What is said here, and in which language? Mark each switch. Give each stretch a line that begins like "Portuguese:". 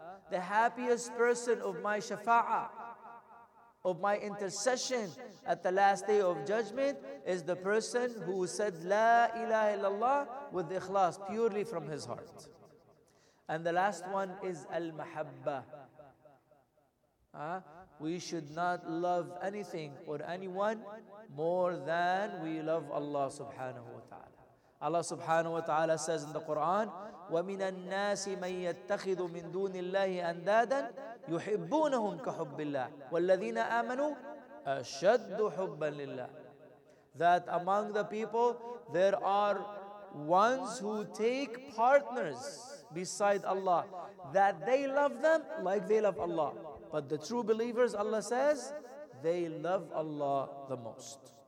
English: The happiest person of my shafa'ah, of my intercession at the last day of judgment, is the person who said la ilaha illallah with ikhlas, purely from his heart. And the last one is al-mahabba. We should not love anything or anyone more than we love Allah subhanahu wa ta'ala. Allah subhanahu wa ta'ala says in the Quran,
Arabic: وَمِنَ النَّاسِ مَنْ يَتَّخِذُ مِنْ دُونِ اللَّهِ أَنْدَادًا يُحِبُّونَهُمْ كَحُبِّ اللَّهِ وَالَّذِينَ آمَنُوا أَشَدُّ حُبًّا لِلَّهِ.
English: That among the people, there are ones who take partners beside Allah, that they love them like they love Allah. But the true believers, Allah says, they love Allah the most.